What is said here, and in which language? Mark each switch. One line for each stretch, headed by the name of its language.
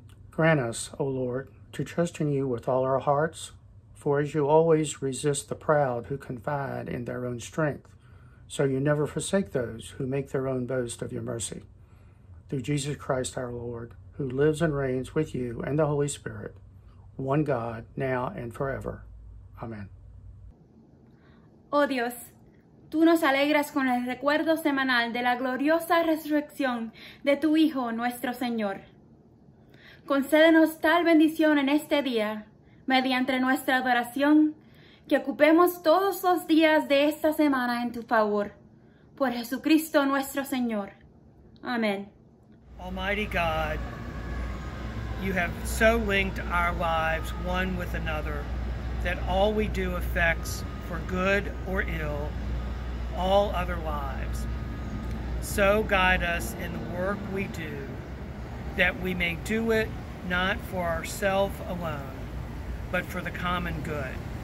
English: Grant us, O Lord, to trust in you with all our hearts, for as you always resist the proud who confide in their own strength, so you never forsake those who make their own boast of your mercy. Through Jesus Christ our Lord, who lives and reigns with you and the Holy Spirit, one God, now and forever. Amen.
Spanish: O Dios, tú nos alegras con el recuerdo semanal de la gloriosa resurrección de tu Hijo, nuestro Señor. Concédenos tal bendición en este día, mediante nuestra adoración, que ocupemos todos los días de esta semana en tu favor, por Jesucristo nuestro Señor. Amén.
English: Almighty God, you have so linked our lives one with another that all we do affects for good or ill all other lives. So guide us in the work we do, that we may do it not for ourselves alone, but for the common good.